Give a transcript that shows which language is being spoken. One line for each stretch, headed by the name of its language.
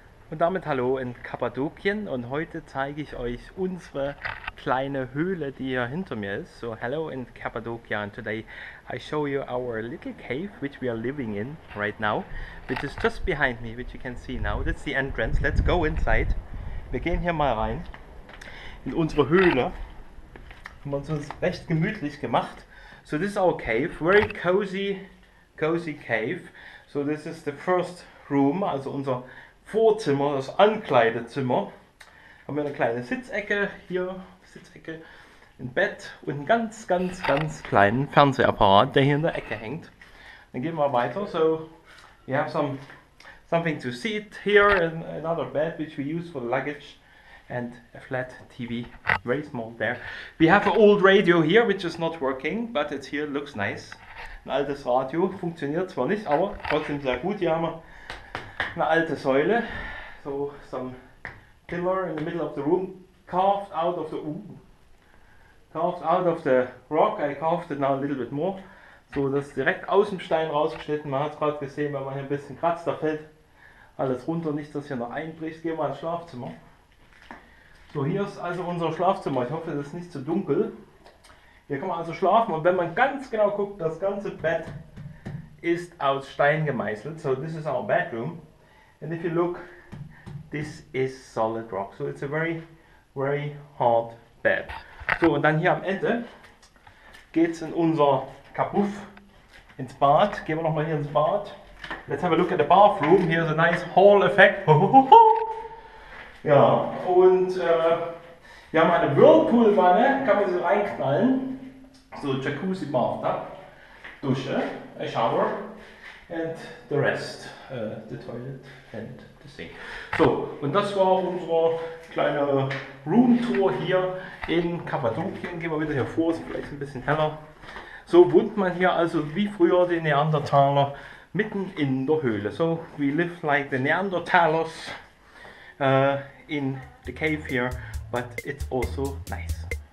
German: damit hallo in Kappadokien und heute zeige ich euch unsere kleine Höhle, die hier hinter mir ist.
English: So hello in Cappadocia, and today I show you our little cave which we are living in right now, which is just behind me, which you can see now. That's the entrance. Let's go inside.
German: Wir gehen hier mal rein in unsere Höhle. Haben wir uns recht gemütlich gemacht.
English: So this is our cave, very cozy cave. So this is the first room,
German: also unser Vorzimmer, das Ankleidezimmer. Haben wir eine kleine Sitzecke hier, ein Bett und einen ganz kleinen Fernsehapparat, der hier in der Ecke hängt. Dann gehen wir weiter.
English: So we have something to sit here, and another bed which we use for luggage, and a flat TV, very small there. We have an old radio here, which is not working, but it's here, looks nice.
German: Ein altes Radio, funktioniert zwar nicht, aber trotzdem sehr gut. Hier haben wir eine alte Säule,
English: so some pillar in the middle of the room, carved out of the rock, I carved it now a little bit more.
German: So, das ist direkt aus dem Stein rausgeschnitten, man hat es gerade gesehen, wenn man hier ein bisschen kratzt, da fällt alles runter, nicht, dass hier noch einbricht. Gehen wir ins Schlafzimmer. So, hier ist also unser Schlafzimmer. Ich hoffe, das ist nicht zu dunkel. Hier kann man also schlafen. Und wenn man ganz genau guckt, das ganze Bett ist aus Stein gemeißelt.
English: So, this is our bedroom. And if you look, this is solid rock. So, it's a very, very hard bed.
German: So, und dann hier am Ende geht's in unser Kabuff, ins Bad. Gehen wir nochmal hier ins Bad.
English: Let's have a look at the bathroom. Here's a nice hall effect.
German: Ja, und wir haben eine Whirlpool-Wanne, kann man so reinknallen, so Jacuzzi, Bathtub, Dusche,
English: a shower, and the rest, the toilet and the sink.
German: So, und das war unsere kleine Room-Tour hier in Kappadokien. Gehen wir wieder hier vor, ist vielleicht ein bisschen heller. So wohnt man hier also wie früher die Neandertaler mitten in der Höhle.
English: So, we live like the Neandertalers. In the cave here, but it's also nice.